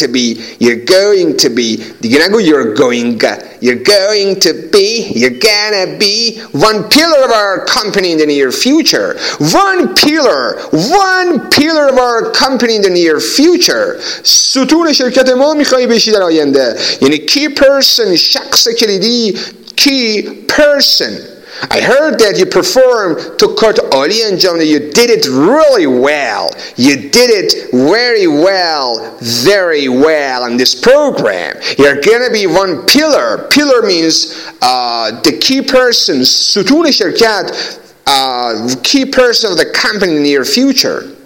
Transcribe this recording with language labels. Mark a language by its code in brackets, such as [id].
[en] You're going to be [fa] دیگه نگو [en] you're going to be one pillar of our company in the near future. One pillar of our company in the near future. [fa] ستون شرکت ما میخوایی بشی در آینده, یعنی [en] key person, [fa] شخص کلیدی, key person. [en] I heard that you performed to court Ali and Johnny. You did it really well. You did it very well, very well on this program. You're gonna be one pillar. Pillar means the key person, [fa] ستون شرکت, [en] key person of the company in the near future.